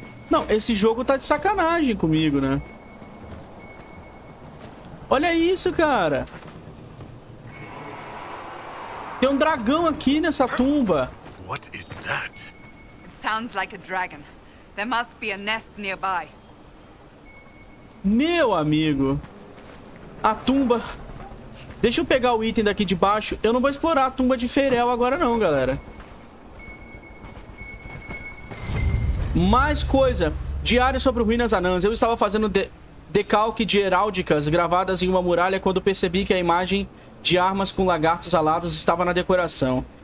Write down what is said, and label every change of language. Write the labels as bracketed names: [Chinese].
[Portuguese] Não, esse jogo tá de sacanagem comigo, né? Olha isso, cara. Tem um dragão aqui nessa tumba. [English] What is that? Sounds like a dragon. There must be a nest nearby. [Portuguese] Meu amigo. A tumba. Deixa eu pegar o item daqui de baixo. Eu não vou explorar a tumba de Feyrel agora não, galera. Mais coisa. Diário sobre ruínas anãs. Eu estava fazendo decalque de heráldicas gravadas em uma muralha quando percebi que a imagem de armas com lagartos alados estava na decoração.